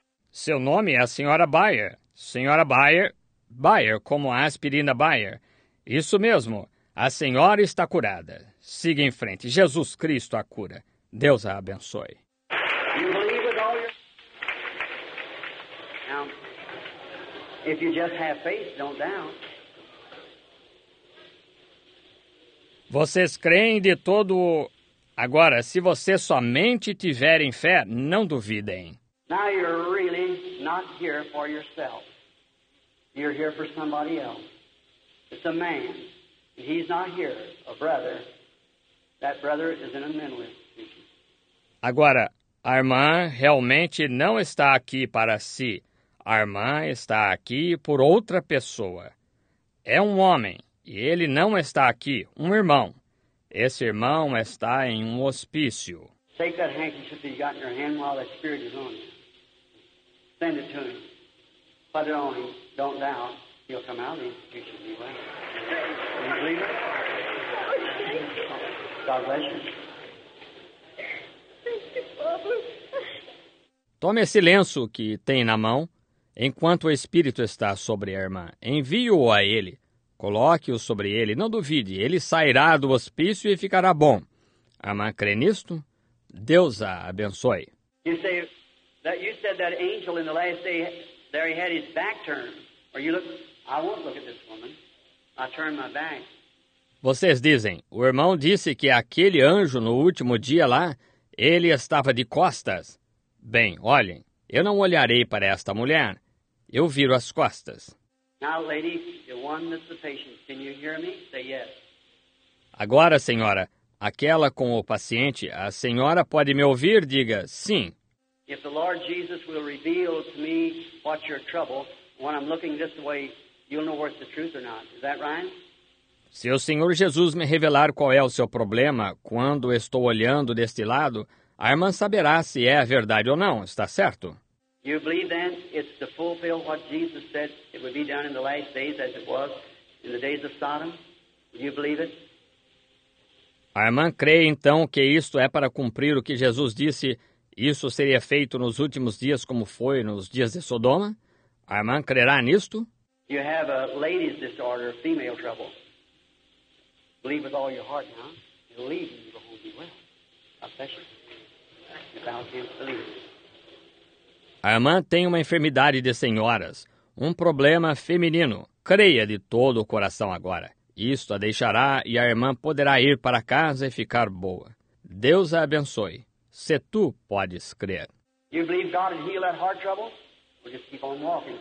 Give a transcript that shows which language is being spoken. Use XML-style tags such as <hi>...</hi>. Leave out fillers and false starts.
<pt>Seu nome é a senhora Bayer. Senhora Bayer, Bayer, como a aspirina Bayer. Isso mesmo, a senhora está curada. Siga em frente, Jesus Cristo a cura. Deus a abençoe.</pt> <en>You believe with all your... Now, if you just have faith, don't doubt.</en> <pt>Vocês creem de todo... Agora, se vocês somente tiverem fé, não duvidem.</pt> <en>Now you're really not here for yourself. You're here for somebody else. It's a man. He's not here. A brother. That brother is in a mental institution.</en> <pt>Agora, a irmã realmente não está aqui para si. A irmã está aqui por outra pessoa. É um homem. E ele não está aqui. Um irmão. Esse irmão está em um hospício.</pt> <en>Take that handkerchief that you got in your hand while that spirit is on you. Send it to him. Put it on him. Don't doubt. He'll come out of the institution anyway. Do you believe it? God bless you. Thank you, Father.</en> <pt>Tome esse lenço que tem na mão. Enquanto o Espírito está sobre a irmã, envie-o a ele. Coloque-o sobre ele. Não duvide. Ele sairá do hospício e ficará bom. A irmã crê nisto? Deus a abençoe.</pt> <en>You said that angel in the last day, there he had his back turned. Or you look, I won't look at this woman. I turn my back.</en> <pt>Vocês dizem, o irmão disse que aquele anjo no último dia lá, ele estava de costas. Bem, olhem, eu não olharei para esta mulher. Eu viro as costas.</pt> <en>Now, lady, the one that's the patient, can you hear me? Say yes.</en> <pt>Agora, senhora, aquela com o paciente, a senhora pode me ouvir? Diga sim.</pt> <en>If the Lord Jesus will reveal to me what your trouble, when I'm looking this way, you'll know whether it's the truth or not. Is that right?</en> <pt>Se o Senhor Jesus me revelar qual é o seu problema, quando estou olhando deste lado, a irmã saberá se é a verdade ou não, está certo?</pt> <en>You believe then it's to fulfill what Jesus said it would be done in the last days as it was in the days of Sodom? You believe it?</en> <pt>A irmã crê então que isto é para cumprir o que Jesus disse, isso seria feito nos últimos dias como foi nos dias de Sodoma? A irmã crerá nisto?</pt> <en>You have a ladies disorder, female trouble. Believe with all your heart now. Believe and you will be well. Especially about him, believe.</en> <pt>A irmã tem uma enfermidade de senhoras, um problema feminino. Creia de todo o coração agora. Isto a deixará e a irmã poderá ir para casa e ficar boa. Deus a abençoe. Se tu podes crer.</pt> <en>You believe God can heal that heart trouble? We'll just keep on walking.</en>